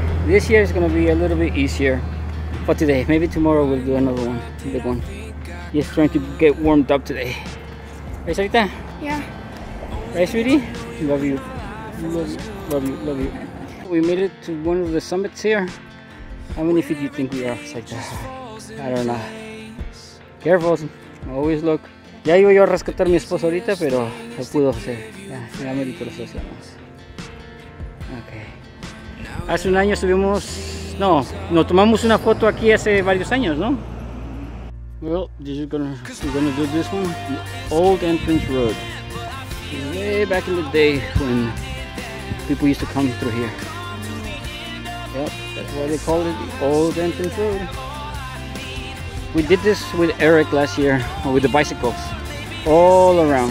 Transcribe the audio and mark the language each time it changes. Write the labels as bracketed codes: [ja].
[en] This year is gonna be a little bit easier for today. Maybe tomorrow we'll do another one, a big one. Just trying to get warmed up today. Hey, Sarita? Yeah. Hey, sweetie? Love you. Love you, love you, love you. We made it to one of the summits here. How many feet do you think we are, Sarita? I don't know. Careful, always look. [es] Ya iba yo a rescatar a mi esposo ahorita, pero no pudo hacer. Ya me di por los ojos. Okay. Hace un año subimos, no tomamos una foto aquí hace varios años, ¿no? [en] Well, this is we're gonna do this one, the old entrance road. Way back in the day when people used to come through here. Yep, that's why they call it the old entrance road. We did this with Eric last year, with the bicycles, all around.